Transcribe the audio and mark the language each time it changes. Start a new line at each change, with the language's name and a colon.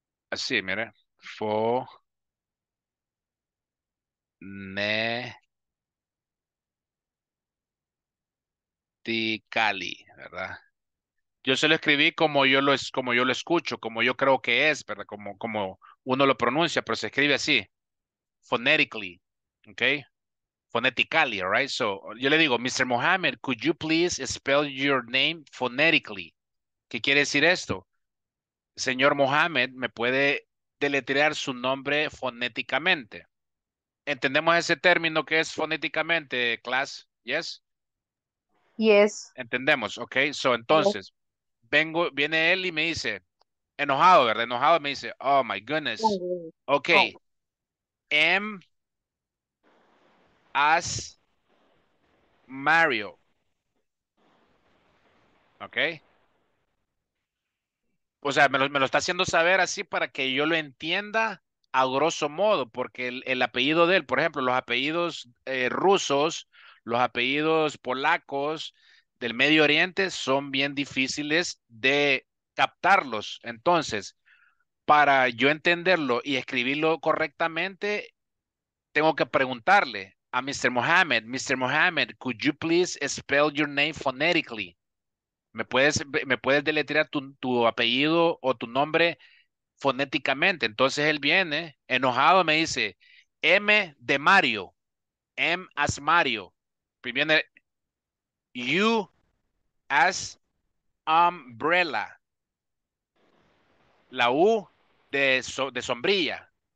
Spanish: Así, mire, phonetically, ¿verdad? Yo se lo escribí como yo lo escucho, como yo creo que es, ¿verdad? Como uno lo pronuncia, pero se escribe así, phonetically, ¿ok?
English: Phonetically, all right? So,
Spanish: yo le digo,
English: Mr. Mohammed, could you please spell your name phonetically?
Spanish: ¿Qué quiere decir esto? Señor Mohammed, ¿me puede deletrear su nombre fonéticamente? ¿Entendemos ese término que es fonéticamente, class? ¿Yes?
English: Yes.
Spanish: Entendemos, ok. So, entonces, yes. Viene él y me dice, enojado, ¿verdad? Enojado, me dice,
English: oh my goodness. Ok. Oh. M as Mario. Ok.
Spanish: O sea, me lo está haciendo saber así para que yo lo entienda a grosso modo, porque el apellido de él, por ejemplo, los apellidos rusos, los apellidos polacos del Medio Oriente son bien difíciles de captarlos. Entonces, para yo entenderlo y escribirlo correctamente, tengo que preguntarle a Mr.
English: Mohammed, Mr. Mohammed, could you please spell your name phonetically?
Spanish: ¿Me puedes deletrear tu apellido o tu nombre fonéticamente? Entonces él viene enojado, me dice, M de Mario,
English: M as Mario.
Spanish: Y viene U
English: as umbrella.
Spanish: La U de sombrilla.